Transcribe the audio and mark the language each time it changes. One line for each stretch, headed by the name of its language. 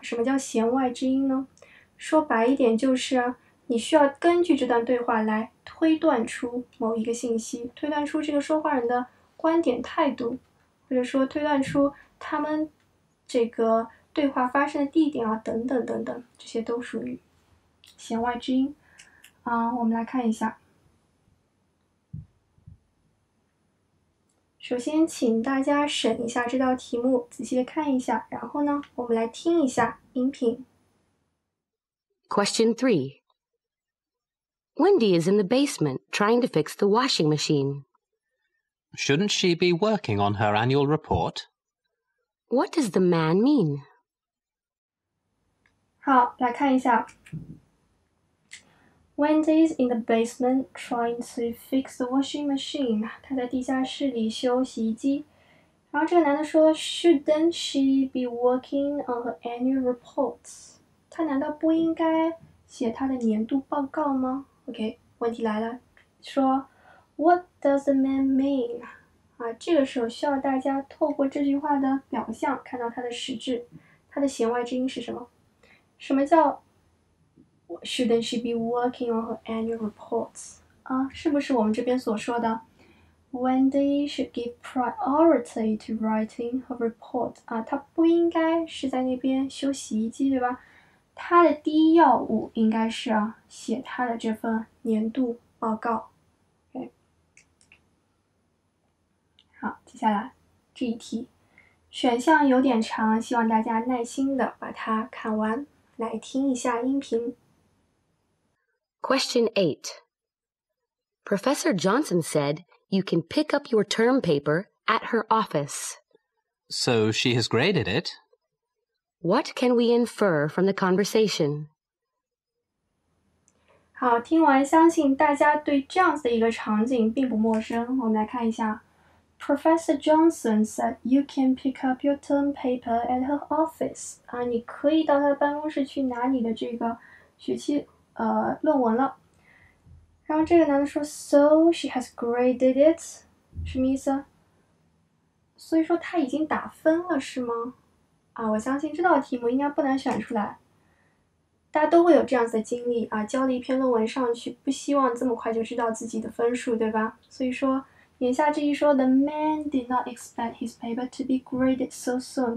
Chinese: 什么叫弦外之音呢？说白一点就是，你需要根据这段对话来推断出某一个信息，推断出这个说话人的观点态度，或者说推断出他们这个对话发生的地点啊，等等等等，这些都属于弦外之音。啊，我们来看一下。首先，请大家审一下这道题目，仔细的看一下，然后呢，我们来听一下音频。
English: Question 3. Wendy is in the basement trying to fix the washing machine. Shouldn't she be working on her annual report? What does the man mean?
Chinese: 好，来看一下。
English: Wendy is in the basement trying to fix the washing machine.
Chinese: 她在地下室里修洗衣机。
English: 然后这个男的说 ,Shouldn't she be working on her annual report?
Chinese: 他难道不应该写他的年度报告吗 ？OK， 问题来了，说 What does the man mean？啊，这个时候需要大家透过这句话的表象看到它的实质，它的弦外之音是什么？
English: 什么叫 Shouldn't she be working on her annual reports？啊，是不是我们这边所说的 Wendy should give priority to writing her report？
Chinese: 啊，他不应该是在那边修洗衣机，对吧？他的第一要务应该是、啊、写他的这份年度报告、okay。好，接下来这一题，选项有点长，希望大家耐心的把它看完，来听一下音频。
English: Question 8. Professor Johnson said you can pick up your term paper at her office. So she has graded it. What can we infer from the conversation?
Chinese: 好，听完相信大家对这样子的一个场景并不陌生。
English: 我们来看一下，Professor Johnson said you can pick up your term paper at her office.
Chinese: 啊，你可以到她的办公室去拿你的这个学期论文了。然后这个男的说 ， So she has graded it. 什么意思？所以说他已经打分了，是吗？啊，我相信这道题目应该不难选出来。大家都会有这样子的经历啊，交了一篇论文上去，不希望这么快就知道自己的分数，对吧？所以说，
English: 言下之意说 the man did not expect his paper to be graded so soon.